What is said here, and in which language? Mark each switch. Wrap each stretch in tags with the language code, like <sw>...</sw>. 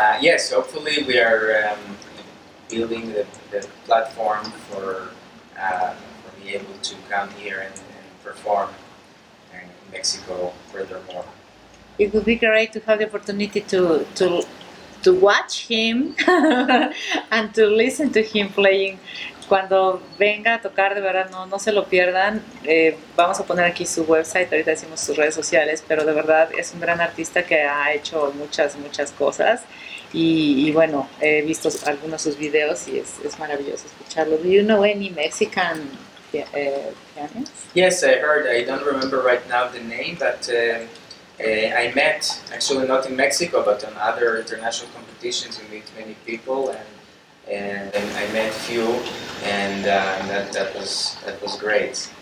<en>Yes, hopefully we are building the platform for being able to come here and perform in Mexico furthermore. It would be great to have the opportunity to watch him and to listen to him playing.</en> <es>Cuando venga a tocar, de verdad, no se lo pierdan. Vamos a poner aquí su website, ahorita decimos sus redes sociales, pero de verdad es un gran artista que ha hecho muchas, muchas cosas. Y bueno, he visto algunos de sus videos y es maravilloso escucharlo.</es> <en>Do you know any Mexican pianists? Yes, I heard. I don't remember right now the name, but I met, actually not in Mexico, but on other international competitions, we meet many people. And I met few, and that was great.</en>